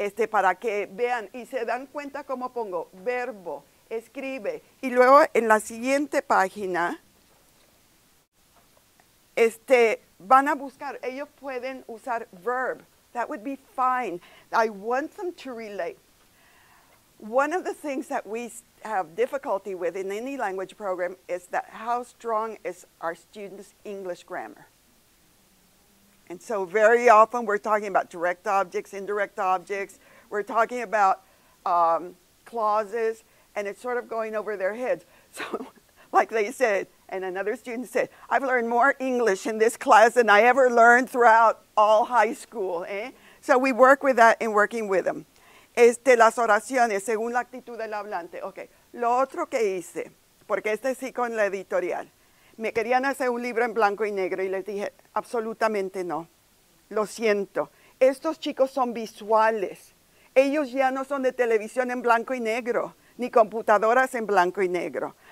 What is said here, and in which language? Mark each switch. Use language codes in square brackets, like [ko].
[es] Para que vean y se dan cuenta cómo pongo verbo, escribe. Y luego en la siguiente página, van a buscar, ellos pueden usar verb. [en] That would be fine. I want them to relate. One of the things that we have difficulty with in any language program is that how strong is our students' English grammar? And so very often we're talking about direct objects, indirect objects. We're talking about clauses, and it's sort of going over their heads. So like they said, and another student said, I've learned more English in this class than I ever learned throughout all high school. Eh? So we work with that in working with them. [es] Las oraciones, según la actitud del hablante. Okay, lo otro que hice, porque sí con la editorial. Me querían hacer un libro en blanco y negro y les dije, absolutamente no. Lo siento. Estos chicos son visuales. Ellos ya no son de televisión en blanco y negro, ni computadoras en blanco y negro.